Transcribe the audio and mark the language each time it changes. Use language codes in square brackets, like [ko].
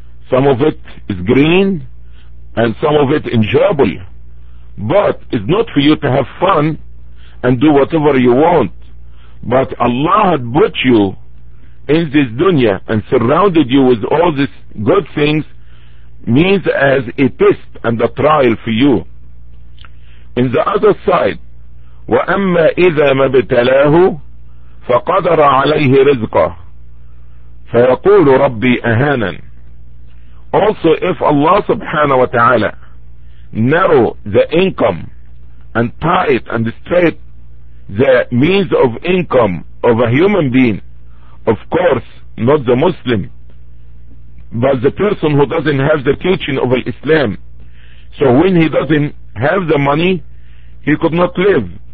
[en] Some of it is green and some of it enjoyable, but it's not for you to have fun and do whatever you want. But Allah had put you in this dunya and surrounded you with all these good things, means as a test and a trial for you. In the other side, [ar] وَأَمَّا إِذَا مَبْتَلَاهُ فَقَدَرَ عَلَيْهِ رِزْقَهُ فَيَقُولُ رَبِّي أَهَانًا. [en] Also, if Allah subhanahu wa ta'ala narrow the income and tight and straight the means of income of a human being, of course, not the Muslim, but the person who doesn't have the teaching of Islam, so when he doesn't have the money, he could not live.